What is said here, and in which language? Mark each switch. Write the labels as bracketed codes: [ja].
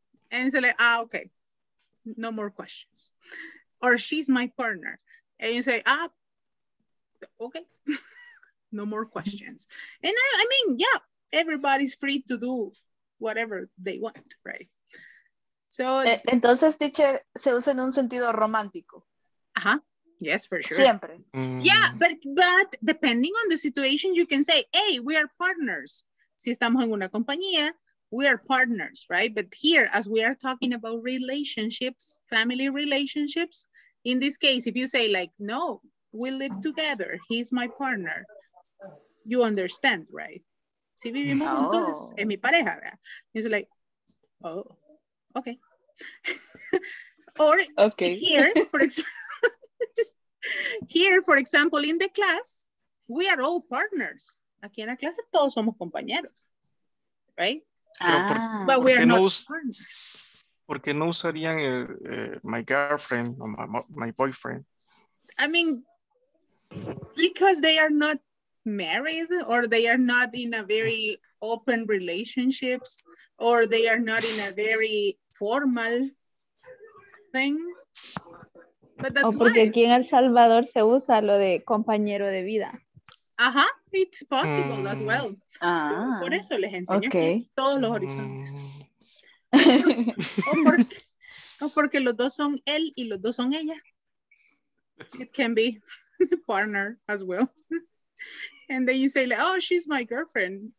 [en] And so like, okay, no more questions. Or she's my partner. And you say, okay, no more questions. And I mean, yeah. Everybody's free to do whatever they want, right? So, [es] entonces, teacher, se usa en un sentido romántico. [en] Uh-huh. Yes, for sure. [es] Siempre. [en] Yeah, but depending on the situation, you can say, hey, we are partners. [es] Si estamos en una compañía, [en] we are partners, right? But here, as we are talking about relationships, family relationships, in this case, if you say like, no, we live together, he's my partner, you understand, right? [es] Si vivimos juntos, es mi pareja, ¿verdad? [en] It's like, okay. Or okay. Here, for example, in the class, we are all partners. [es] Aquí en la clase todos somos compañeros, [en] right? But we are not partners. [es] ¿Por qué no usarían [en] my girlfriend or my boyfriend? I mean, because they are not married, or they are not in a very open relationships, or they are not in a very formal thing. But that's [es] porque aquí en El Salvador se usa lo de compañero de vida. Ajá, [en] it's possible as well. [es] Por eso les enseño todos los horizontes. o porque los dos son él y los dos son ella. [en] It can be partner as well. And then you say, like, oh, she's my girlfriend.